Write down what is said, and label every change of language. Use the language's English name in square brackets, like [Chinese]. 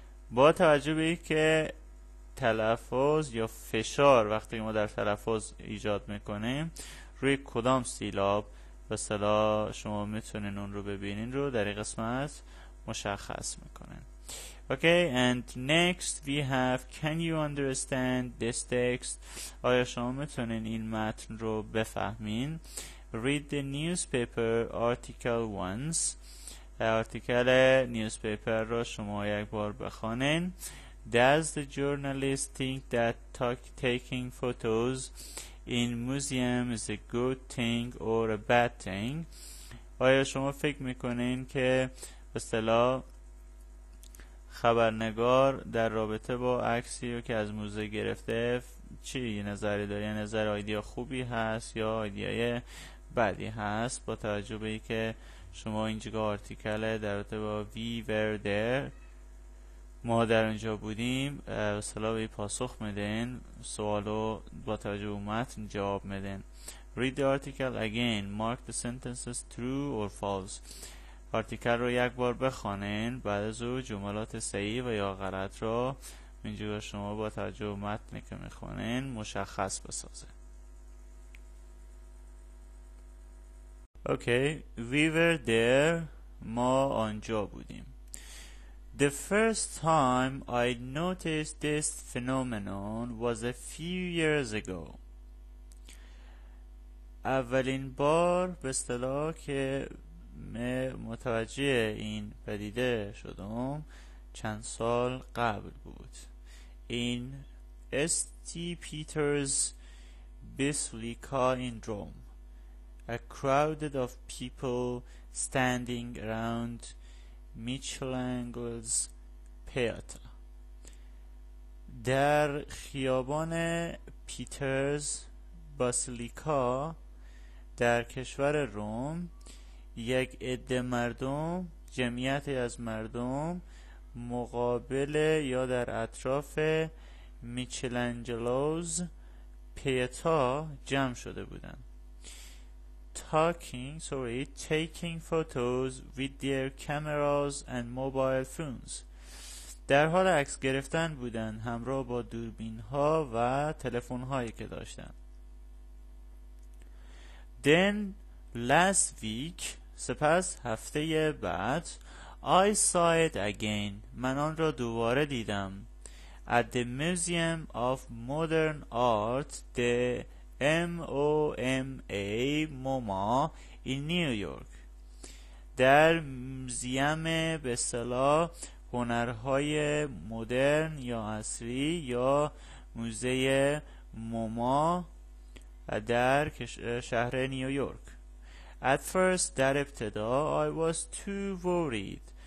[Persian] با توجه به اینکه تلفظ یا فشار وقتی ما در تلفظ ایجاد میکنیم روی کدام سیلاب مثلا شما میتونین اون رو ببینین رو در این قسمت مشخص میکنن. [English] Okay, and next we have can you understand this text? [Persian] آیا شما میتونین این متن رو بفهمین؟ [English] Read the newspaper article once. [Persian] آرتیکل نیوزپیپر رو شما یک بار بخونین. [English] Does the journalist think that taking photos in museum is a good thing or a bad thing? [Persian] آیا شما فکر میکنین که به اصطلاح خبرنگار در رابطه با عکسی رو که از موزه گرفته چی نظری داره؟ نظر ایده خوبی هست یا ایده بدی هست؟ با توجه به اینکه شما اینجگاه آرتیکل در رابطه با [English] we were there [Persian] ما در اونجا بودیم سلا به پاسخ میدین سوالو با توجه به متن جواب میدین. [English] Read the article again. Mark the sentences true or false. [Persian] آرتیکل رو یک بار بخونین بعد از او جملات صحیح و یا غلط رو اینجا شما با توجه به متنی که میخونین مشخص بسازه. [English] Okay. We were there. [Persian] ما آنجا بودیم. [English] The first time I noticed this phenomenon was a few years ago. [Persian] اولین بار به اصطلاح که متوجه این پدیده شدم چند سال قبل بود. [English] In St. Peter's Basilica in Rome. A crowd of people standing around Michelangelo's Pieta. [Persian] در خیابان پیترز باسیلیکا در کشور روم یک عده مردم جمعیتی از مردم مقابل یا در اطراف میچلانجلوز پیاتا جمع شده بودند. [English] Taking photos with their cameras and mobile phones. [Persian] در حال عکس گرفتن بودند همراه با دوربین ها و تلفن هایی که داشتند. [English] Then last week [Persian] سپس هفته بعد [English] I saw it again. [Persian] من آن را دوباره دیدم. [English] At the Museum of Modern Art, the MOMA, MoMA, in New York. [Persian] در موزیم به اصطلاح هنرهای مدرن یا عصری یا موزه موما در شهر نیویورک. [English] At first, [Persian] در ابتدا, [English] I was too worried.